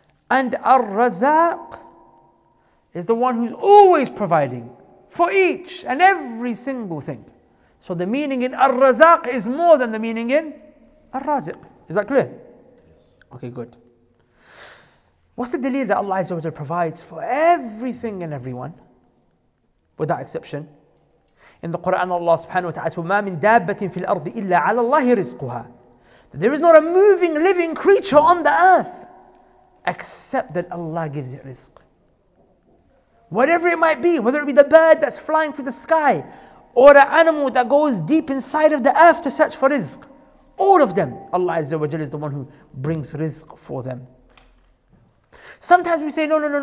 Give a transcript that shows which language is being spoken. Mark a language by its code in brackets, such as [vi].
[en] And Ar-Razzaq is the one who's always providing for each and every single thing. So the meaning in Ar-Razzaq is more than the meaning in Ar-Raziq. Is that clear? Okay, good. What's the delil that Allah Azza wa Jalla provides for everything and everyone, without exception? In the Quran, Allah subhanahu wa ta'ala says, [ar] وَمَا مِن دَابَّةٍ فِي الْأَرْضِ إِلَّا عَلَى اللَّهِ رِزْقُهَا. [en] There is not a moving, living creature on the earth except that Allah gives it rizq. Whatever it might be, whether it be the bird that's flying through the sky or the animal that goes deep inside of the earth to search for rizq, all of them, Allah Azza wa Jalla is the one who brings rizq for them. Sometimes we say, no.